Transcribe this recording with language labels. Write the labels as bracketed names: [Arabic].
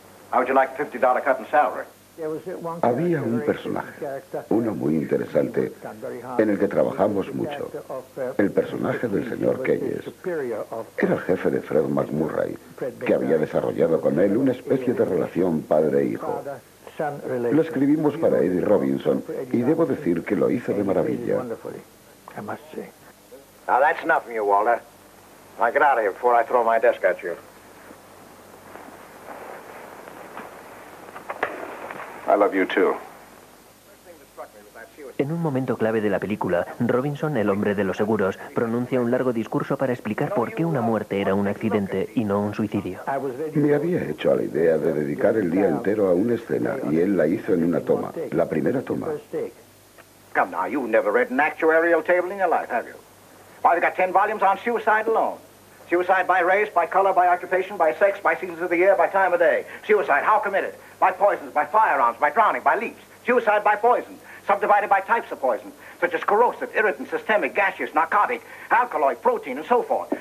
[English] How would you like a $50 cut in salary? [Spanish] Había un personaje, uno muy interesante, en el que trabajamos mucho. El personaje del señor Keyes era el jefe de Fred McMurray, que había desarrollado con él una especie de relación padre-hijo. Lo escribimos para Eddie Robinson y debo decir que lo hizo de maravilla. [English] Now that's enough from you, Walter. Now get out of here before I throw my desk at you. I love you too. [Spanish] En un momento clave de la película, Robinson, el hombre de los seguros, pronuncia un largo discurso para explicar por qué una muerte era un accidente y no un suicidio. Me había hecho a la idea de dedicar el día entero a una escena y él la hizo en una toma, la primera toma. [English] Come now, you've never read an actuarial table in your life, have you? Why, they've got 10 volumes on suicide alone. Suicide by race, by color, by occupation, by sex, by seasons of the year, by time of day. Suicide, how committed? By poisons, by firearms, by drowning, by leaps. Suicide by poison, subdivided by types of poison, such as corrosive, irritant, systemic, gaseous, narcotic, alkaloid, protein, and so forth.